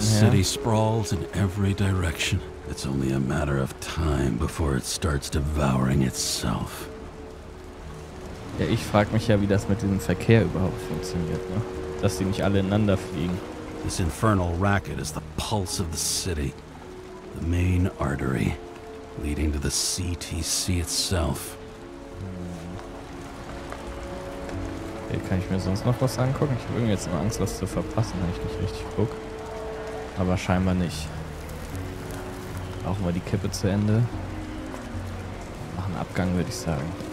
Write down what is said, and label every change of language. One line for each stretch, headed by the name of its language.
English: her. The city sprawls in every direction. It's only a matter of time before it starts devouring itself.
German: Ja, ich frag mich ja, wie das mit diesem Verkehr überhaupt funktioniert, ne? Dass die nicht alle ineinander fliegen.
English: This infernal racket is the pulse of the city. The main artery leading to the CTC itself.
German: Hey, kann ich mir sonst noch was angucken? Ich habe irgendwie jetzt immer Angst, was zu verpassen, wenn ich nicht richtig gucke. Aber scheinbar nicht. Rauchen wir die Kippe zu Ende. Machen Abgang, würde ich sagen.